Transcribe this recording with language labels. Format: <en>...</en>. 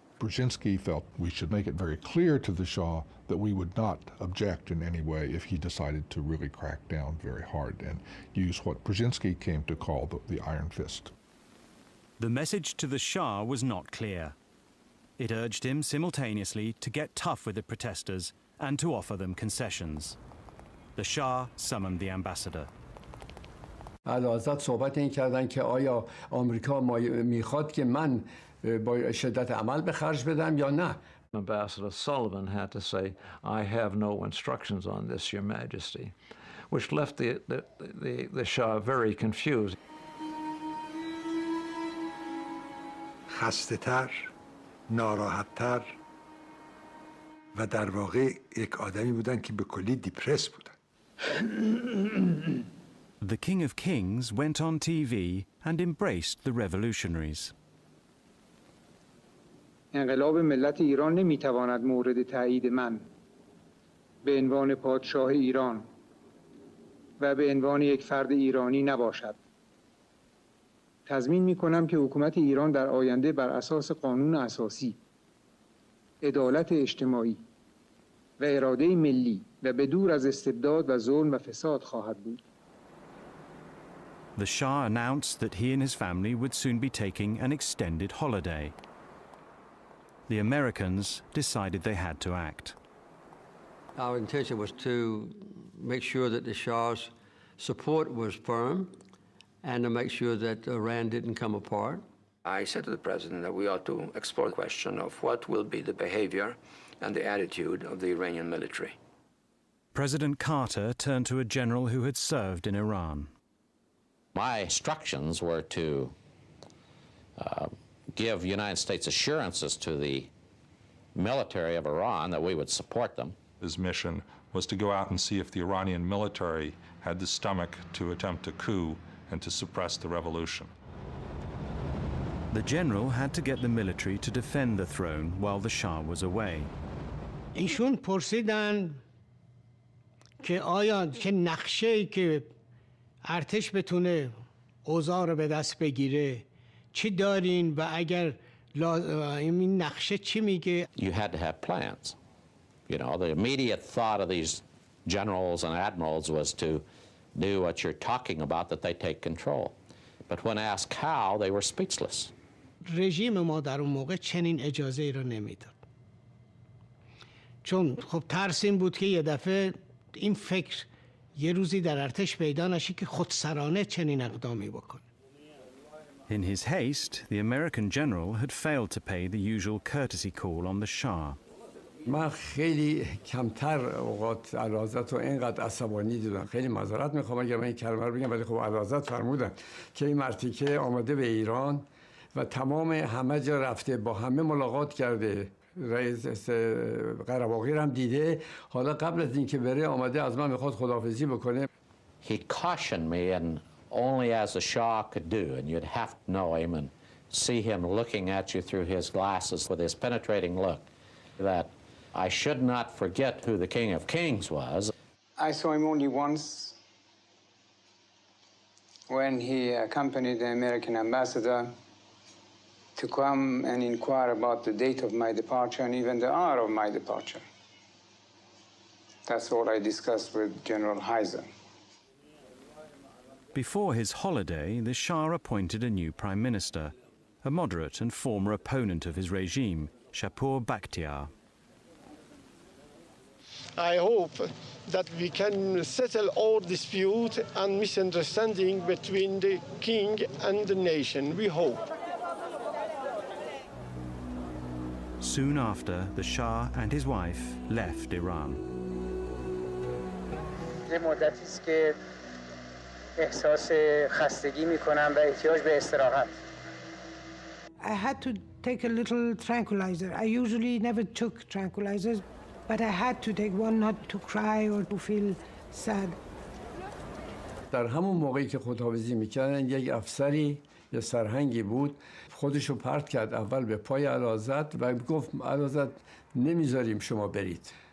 <en>Brzezinski felt we should make it very clear to the Shah that we would not object in any way if he decided to really crack down very hard and use what Brzezinski came to call the iron fist. The message to the Shah was not clear. It urged him simultaneously to get tough with the protesters and to offer them concessions. The Shah summoned the ambassador.</en> <fa>علازت صحبت این کردن که آیا آمریکا میخواد که من با شدت عمل به خرج بدم یا نه.</fa> <en>Ambassador Sullivan had to say, I have no instructions on this, Your Majesty, which left the Shah very confused.</en> <fa>خسته تر، ناراحت تر و در واقع یک آدمی بودن که به کلی دیپرس بودن.</fa> <en>The King of Kings went on TV and embraced the revolutionaries.</en> <fa>انقلاب ملت ایران نمیتواند مورد تایید من به عنوان پادشاه ایران و به عنوان یک فرد ایرانی نباشد. تضمین میکنم که حکومت ایران در آینده بر اساس قانون اساسی، عدالت اجتماعی و اراده ملی و به دور از استبداد و ظلم و فساد خواهد بود.</fa> <en>The Shah announced that he and his family would soon be taking an extended holiday. The Americans decided they had to act. Our intention was to make sure that the Shah's support was firm and to make sure that Iran didn't come apart. I said to the president that we ought to explore the question of what will be the behavior and the attitude of the Iranian military. President Carter turned to a general who had served in Iran. My instructions were to give United States assurances to the military of Iran that we would support them. His mission was to go out and see if the Iranian military had the stomach to attempt a coup and to suppress the revolution. The general had to get the military to defend the throne while the Shah was away.</en> <fa>ایشون پرسیدن که آیا که نقشه‌ای که ارتش بتونه اوضاع رو به دست بگیره چی دارین و اگر این نقشه چی میگه.</fa> <en>You had to have plans. You know, the immediate thought of these generals and admirals was to do what you're talking about, that they take control. But when asked how, they were speechless.</en> <fa>رژیم ما در اون موقع چنین اجازه ای رو نمیداد. چون خب ترس این بود که یه دفعه این فکر یه روزی در ارتش پیدا نشه که خودسرانه چنین اقدامی بکنه.</fa> <en>In his haste, the American general had failed to pay the usual courtesy call on the Shah.</en> <fa>من خیلی کمتر اوقات علازت رو اینقدر عصبانی دیدم. خیلی معذرت میخوام اگر من این کلمه رو بگم، ولی خب علازت فرمودن که این مرتیکه آمده به ایران و تمام همه جا رفته، با همه ملاقات کرده، رئیس قرباقی رو هم دیده، حالا قبل از اینکه بره آمده از من میخواد خداحافظی بکنه.</fa> <en>He cautioned me and only as the Shah could do, and you'd have to know him and see him looking at you through his glasses with his penetrating look, that I should not forget who the King of Kings was. I saw him only once when he accompanied the American ambassador to come and inquire about the date of my departure and even the hour of my departure. That's all I discussed with General Heiser. Before his holiday, the Shah appointed a new prime minister, a moderate and former opponent of his regime, Shapur Bakhtiar. I hope that we can settle all dispute and misunderstanding between the king and the nation. We hope. Soon after, the Shah and his wife left Iran.</en> <fa>یه مدتی است که احساس خستگی می‌کنم و احتیاج به استراحت.</fa> <en>I had to take a little tranquilizer. I usually never took tranquilizers, but I had to take one not to cry or to feel sad.</en> <fa>در همون موقعی که خداحافظی می‌کردن، یک افسری یا سرهنگی بود، خودشو پرت کرد اول به پای علازت و گفت علازت نمیذاریم شما برید.</fa>